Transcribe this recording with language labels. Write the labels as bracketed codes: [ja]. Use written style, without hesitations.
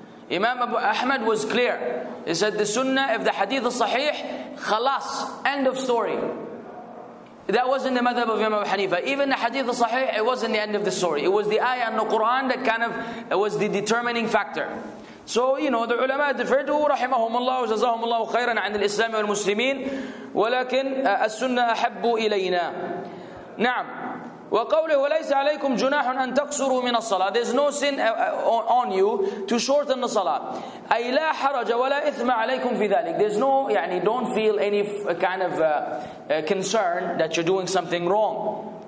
[en] Imam Abu Ahmad was clear. He said, the sunnah, if the hadith is sahih, khalas, end of story. That wasn't the madhab of Imam Abu Hanifa. Even the hadith is sahih, it wasn't the end of the story. It was the ayah and the Quran that kind of was the determining factor. So, you know, the ulama differed. [ar] ورحمهم الله وجزاهم الله خيرا عن الإسلام والمسلمين ولكن السنة أحب إلينا. نعم. وقوله وليس عليكم جناح أن تقصروا من الصلاة. [en] There's no sin on you to shorten the salah. [ar] أي لا حرج ولا إثم عليكم في ذلك. [en] There's no, يعني, don't feel any kind of concern that you're doing something wrong.